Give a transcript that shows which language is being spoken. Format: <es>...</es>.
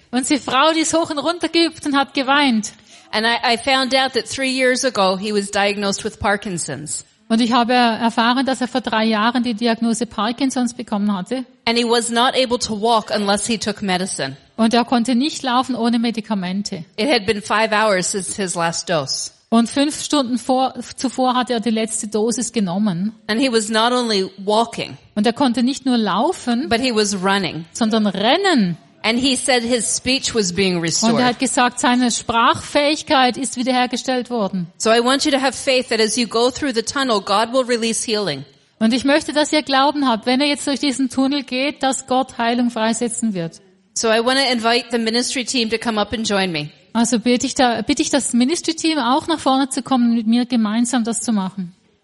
<de>Und seine Frau, die ist hoch und runter gehüpft und hat geweint.</de> <en>And I found out that 3 years ago he was diagnosed with Parkinson's.</en> <de>Und ich habe erfahren, dass er vor 3 Jahren die Diagnose Parkinson's bekommen hatte.</de> <en>And he was not able to walk unless he took medicine.</en> <de>Und er konnte nicht laufen ohne Medikamente.</de> <en>It had been 5 hours since his last dose.</en> <de>Und 5 Stunden zuvor hatte er die letzte Dosis genommen.</de> <en>And he was not only walking.</en> <de>Und er konnte nicht nur laufen,</de> <en>but he was running.</en> <de>Sondern rennen.</de> <en>And he said his speech was being restored.</en> <de>Und er hat gesagt, seine Sprachfähigkeit ist wiederhergestellt worden.</de> <en>So I want you to have faith that as you go through the tunnel, God will release healing.</en> <de>Und ich möchte, dass ihr Glauben habt, wenn ihr jetzt durch diesen Tunnel geht, dass Gott Heilung freisetzen wird.</de> <en>So I want to invite the ministry team to come up and join me.</en> <de>Also bitte ich das Ministry Team auch nach vorne zu kommen, mit mir gemeinsam das zu machen.</de>